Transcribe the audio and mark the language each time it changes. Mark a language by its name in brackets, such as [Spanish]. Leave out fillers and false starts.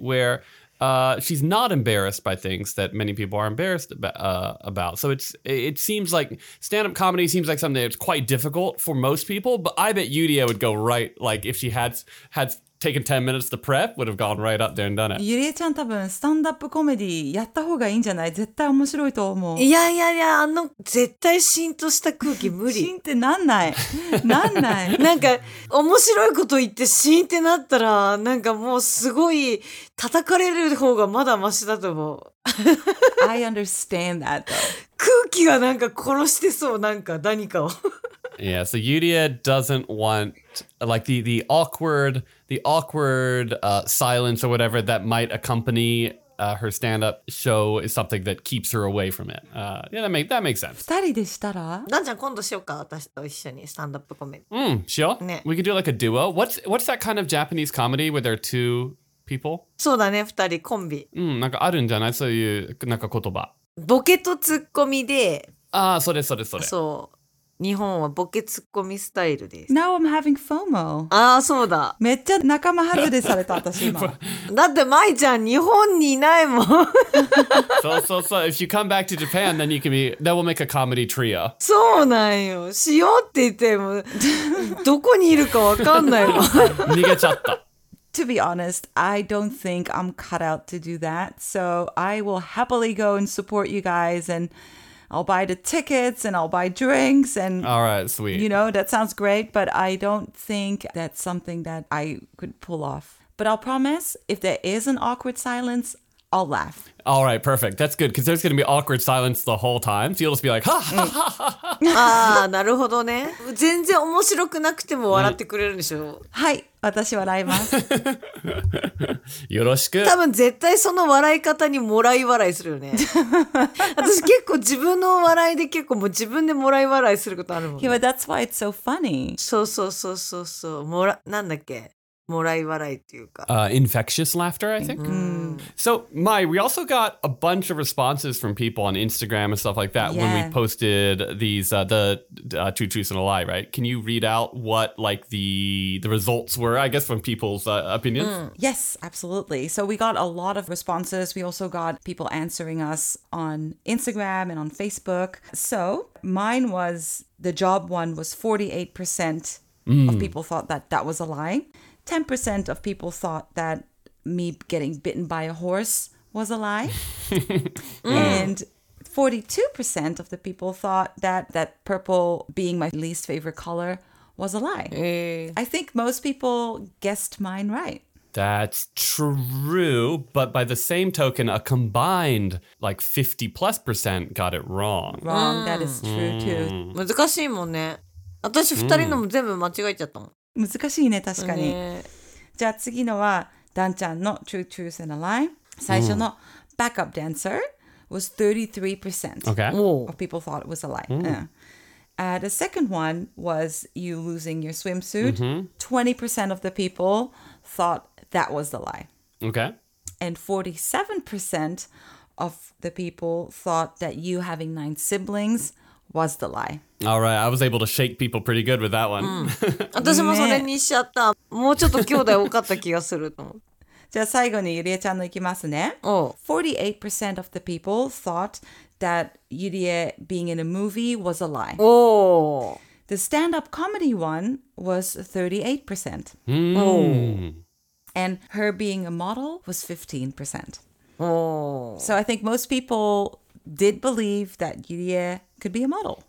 [English] Where she's not embarrassed by things that many people are embarrassed about. So it seems like stand-up comedy seems like something that's quite difficult for most people. But I bet Yuria would go right, like if she had taken 10 minutes to prep, would have gone right up there and done it. [Japanese] Yuria-chan, 多分 stand-up comedy やった方がいいんじゃない？絶対面白いと思う。いやいやいや、あの絶対シンとした空気無理。シンってなんない。なんない。なんか面白いこと言ってシンってなったら、なんかもうすごい叩かれる方がまだマシだと思う。 [English] I understand that though. [Japanese] 空気がなんか殺してそう、なんか何かを。 [English] Yeah, so Yuria doesn't want like the awkward silence or whatever that might accompany her stand-up show is something that keeps her away from it. That makes sense. [Japanese] 二人でしたら？ダンちゃん、今度しようか、私と一緒にスタンドアップコメディ。しよう。ね。 [English] We could do like a duo. What's that kind of Japanese comedy where there are two people? [Japanese] そうだね、二人コンビ。なんかあるんじゃない？そういうなんか言葉。ボケとツッコミで。ああ、それそれそれ。そう。日本はボケツッコミスタイルです [English] 。 Now I'm having FOMO. [Japanese] ああそうだ、めっちゃ仲間外れされた私今だってマイちゃん日本にいないもんそうそうそう、 [English] If you come back to Japan then you can be that will make a comedy trio. [Japanese] そうなんよ、しようって言ってもどこにいるかわかんないもん逃げちゃった。 [English] To be honest, I don't think I'm cut out to do that. So I will happily go and support you guys, and I'll buy the tickets and I'll buy drinks. And all right, sweet. You know, that sounds great, but I don't think that's something that I could pull off. But I'll promise if there is an awkward silence, I'll laugh. All right, perfect. That's good, because there's going to be awkward silence the whole time. So you'll just be like, ha ha ha ha. [Japanese] Ah, なるほどね。全然面白くなくても笑ってくれるんでしょ。はい、私笑います。よろしく。多分絶対その笑い方にもらい笑いするよね。私結構自分の笑いで結構もう自分でもらい笑いすることあるもんね。 [English] Yeah, but that's why it's so funny. [Japanese] そうそうそうそうそう。もら、なんだっけ。もらい笑いっていうか。 [English] Infectious laughter, I think. Mm-hmm. So, Mai, we also got a bunch of responses from people on Instagram and stuff like that yeah. when we posted these, the Two Truths and a Lie, right? Can you read out what, like, the results were, I guess, from people's opinions? Mm. Yes, absolutely. So we got a lot of responses. We also got people answering us on Instagram and on Facebook. So mine was, the job one was 48% of people thought that that was a lie. 10% of people thought that me getting bitten by a horse was a lie. And 42% of the people thought that that purple being my least favorite color was a lie. Hey. I think most people guessed mine right. That's true, but by the same token, a combined like 50%+ got it wrong. Wrong, that is true too. [Japanese] 難しいもんね。私2人のも全部間違えちゃったもん。難しいね、確かに、ね。じゃあ次のは、ダンちゃんの True Truth and a Lie。最初の、 [English] Backup Dancer was 33% of people thought it was a lie.、The second one was you losing your swimsuit.、 Mm-hmm. 20% of the people thought that was the lie. Okay. And 47% of the people thought that you having 9 siblings was the lie. All right, I was able to shake people pretty good with that one.、 [Japanese] うん、私もそれにしちゃった。もうちょっと兄弟多かった気がすると思う。じゃあ最後にゆりえちゃんのいきますね。 [English] 48% of the people thought that ゆりえ being in a movie was a lie. The stand-up comedy one was 38%.、And her being a model was 15%. So I think most people... did believe that Yurie could be a model.